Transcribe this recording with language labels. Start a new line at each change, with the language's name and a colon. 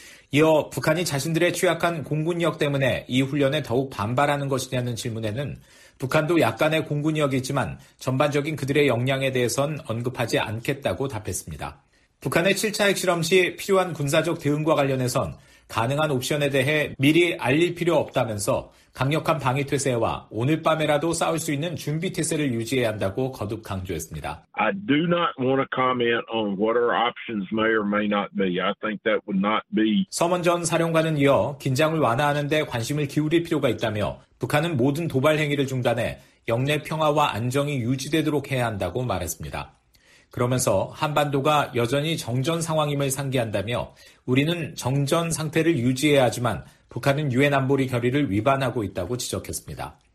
Korean: 이어 북한이 자신들의 취약한 공군력 때문에 이 훈련에 더욱 반발하는 것이냐는 질문에는 북한도 약간의 공군력이지만 전반적인 그들의 역량에 대해선 언급하지 않겠다고 답했습니다. 북한의 7차 핵실험 시 필요한 군사적 대응과 관련해선 가능한 옵션에 대해 미리 알릴 필요 없다면서 강력한 방위태세와 오늘 밤에라도 싸울 수 있는 준비태세를 유지해야 한다고 거듭 강조했습니다.
English: I do not want to comment on what our options may or may not be. I think that would not be.
Korean: 서먼 전 사령관은 이어 긴장을 완화하는 데 관심을 기울일 필요가 있다며 북한은 모든 도발 행위를 중단해 영내 평화와 안정이 유지되도록 해야 한다고 말했습니다. 그러면서 한반도가 여전히 정전 상황임을 상기한다며 우리는 정전 상태를 유지해야 하지만 북한은 유엔 안보리 결의를 위반하고 있다고 지적했습니다.